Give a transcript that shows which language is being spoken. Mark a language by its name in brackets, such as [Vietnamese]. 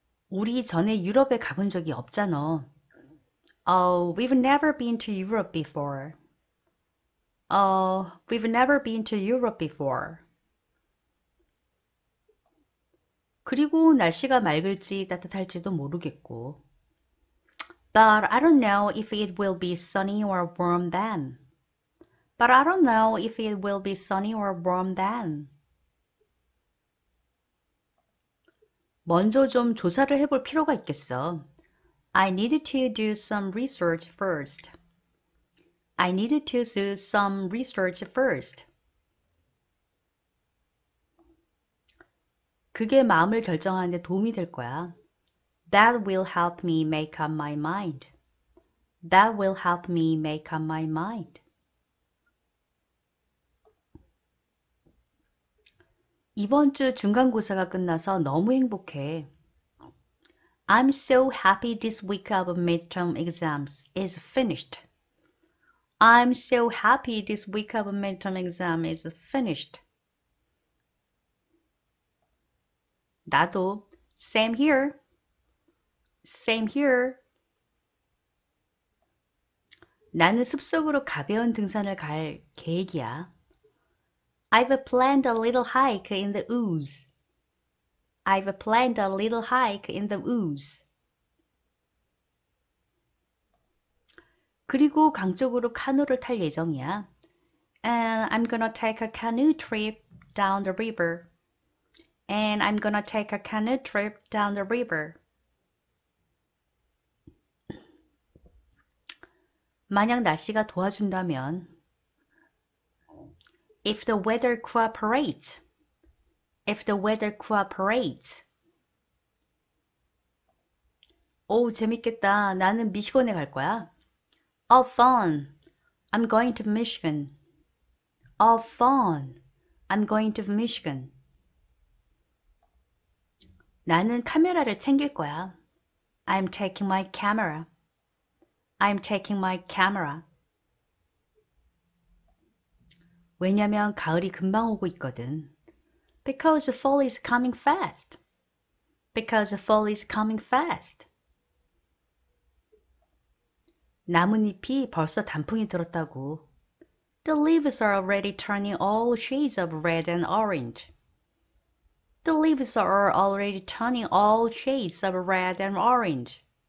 [Korean] 우리 전에 유럽에 가본 적이 없잖아. [English] Oh, we've never been to Europe before. Oh, we've never been to Europe before. [Korean] 그리고 날씨가 맑을지 따뜻할지도 모르겠고. [English] But I don't know if it will be sunny or warm then. But I don't know if it will be sunny or warm then. [Korean] 먼저 좀 조사를 해볼 필요가 있겠어. [English] I needed to do some research first. I needed to do some research first. [Korean] 그게 마음을 결정하는 데 도움이 될 거야. [English] That will help me make up my mind. That will help me make up my mind. [Korean] 이번 주 중간고사가 끝나서 너무 행복해. [English] I'm so happy this week of midterm exams is finished. I'm so happy this week of midterm exam is finished. [Korean] 나도 [English] same here. Same here. [Korean] 나는 숲속으로 가벼운 등산을 갈 계획이야. [English] I've planned a little hike in the ooze. I've planned a little hike in the ooze. [Korean] 그리고 강쪽으로 카누를 탈 예정이야. [English] And I'm gonna take a canoe trip down the river. And I'm gonna take a canoe trip down the river. [Korean] 만약 날씨가 도와준다면, [English] If the weather cooperates, if the weather cooperates. [Korean] 오, 재밌겠다. 나는 미시건에 갈 거야. [English] All fun. I'm going to Michigan. All fun. I'm going to Michigan. [Korean] 나는 카메라를 챙길 거야. [English] I'm taking my camera. I'm taking my camera. [Korean] 왜냐면 가을이 금방 오고 있거든. [English] Because fall is coming fast. Because fall is coming fast. [Korean] 나뭇잎이 벌써 단풍이 들었다고. [English] The leaves are already turning all shades of red and orange. The leaves are already turning all shades of red and orange.